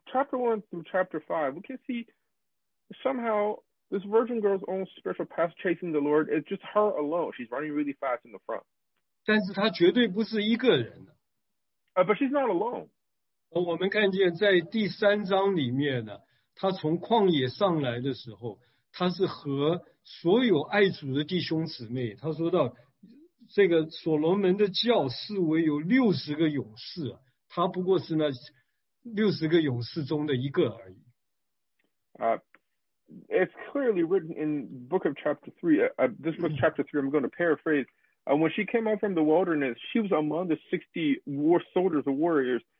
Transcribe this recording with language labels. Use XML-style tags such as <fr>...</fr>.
<en>chapter 1 through chapter 5, we can see somehow this virgin girl's own spiritual path chasing the Lord is just her alone. She's running really fast in the front.</en> <zh>但是她绝对不是一个人。</zh> <en>But she's not alone.</en> <zh>我们看见在第三章里面呢, 她从旷野上来的时候, 她是和所有爱主的弟兄姊妹, 她说到这个所罗门的教士为有60个勇士, 她不过是那60个勇士中的一个而已。</zh> <en>It's clearly written in book of chapter 3. This was chapter 3. I'm going to paraphrase. When she came out from the wilderness, she was among the 60 war soldiers or warriors.</en>